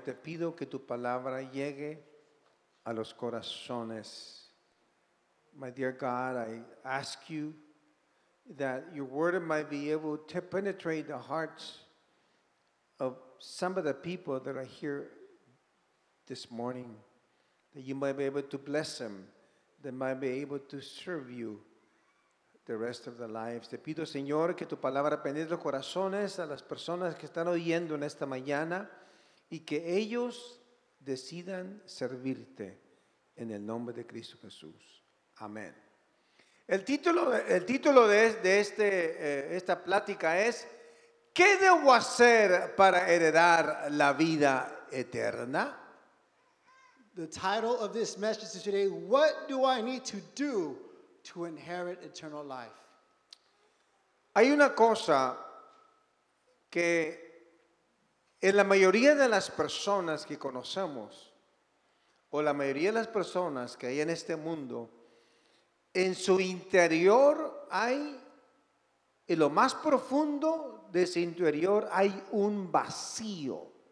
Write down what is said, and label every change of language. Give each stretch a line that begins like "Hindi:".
Spanish: Te pido que tu palabra llegue a los corazones.
English: My dear God, I ask you that your word might be able to penetrate the hearts of some of the people that are here this morning, that you might be able to bless them, that might be able to serve you the rest of their lives.
Spanish: Te pido, Señor, que tu palabra penetre los corazones a las personas que están oyendo en esta mañana y que ellos decidan servirte en el nombre de Cristo Jesús. Amén. El título de esta plática es ¿Qué debo hacer para heredar la vida eterna?
English: The title of this message today, What do I need to do to inherit eternal life?
Spanish: Hay una cosa que en la mayoría de las personas que conocemos, o la mayoría de las personas que hay en este mundo, en su interior hay, en lo más profundo de su interior hay un vacío.